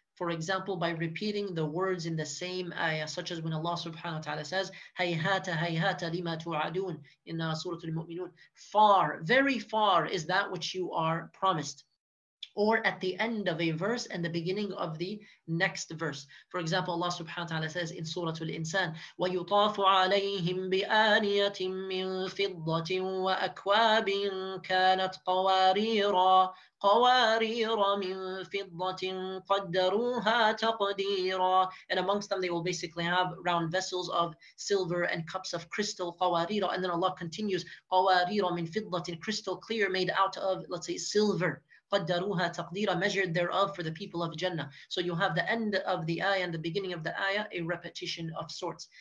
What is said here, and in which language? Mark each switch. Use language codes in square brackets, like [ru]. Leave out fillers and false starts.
[en] For example, by repeating the words in the same ayah, such as when Allah subhanahu wa ta'ala says, [ar] Hayhata, hayhata, lima tu'adun, [en] in Surah Al-Mu'minun. Far, very far is that which you are promised. Or at the end of a verse and the beginning of the next verse. [ar] For example, Allah subhanahu wa ta'ala says in Surah Al-Insan, وَيُطَافُ عَلَيْهِمْ بِآنِيَةٍ مِّن فِضَّةٍ وَأَكْوَابٍ كَانَتْ قَوَارِيرًا قَوَارِيرًا مِّن فِضَّةٍ قَدَّرُوهَا تَقْدِيرًا. [en] And amongst them, they will basically have round vessels of silver and cups of crystal, قَوَارِيرًا. And then Allah continues, [ar] قَوَارِيرًا مِّن فِضَّةٍ, [en] crystal clear, made out of, let's say, silver. [ar] قَدَّرُوهَا تَقْدِيرًا, [en] measured thereof for the people of Jannah. So you have the end of the ayah and the beginning of the ayah, a repetition of sorts.